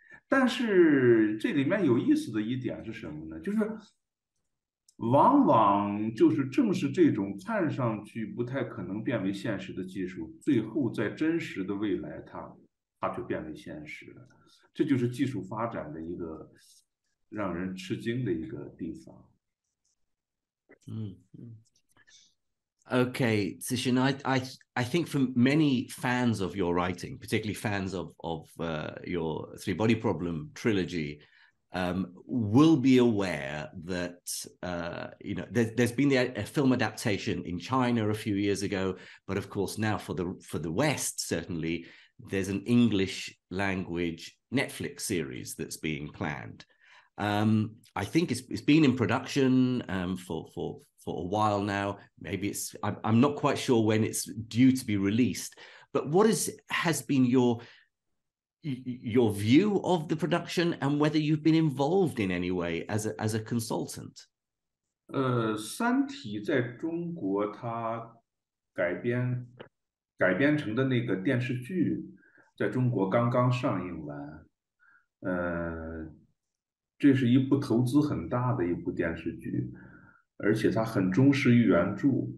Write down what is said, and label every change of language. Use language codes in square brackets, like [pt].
[zh] 但是这里面有意思的一点是什么呢就是往往就是正是这种看上去不太可能变为现实的技术最后在真实的未来它就变为现实了。这就是技术发展的一个让人吃惊的一个地方。 [en] Okay, Cixin, I think for many fans of your writing, particularly fans of your Three-Body Problem trilogy, will be aware that, you know, there's been a film adaptation in China a few years ago, but of course now for the West, certainly, there's an English language Netflix series that's being planned. I think it's been in production for a while now. Maybe I'm not quite sure when it's due to be released, but what has been your view of the production and whether you've been involved in any way as a consultant? [zh] 三体在中国它改编成的那个电视剧在中国刚刚上映完。这是一部投资很大的一部电视剧，而且它很忠实于原著。